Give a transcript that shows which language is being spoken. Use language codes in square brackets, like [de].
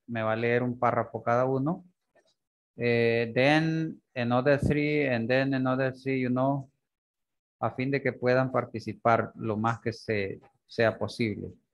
[es] Me va a leer un párrafo cada uno. [en] Then another three, and then another three, you know. [es] a fin de que puedan participar lo más que sea posible.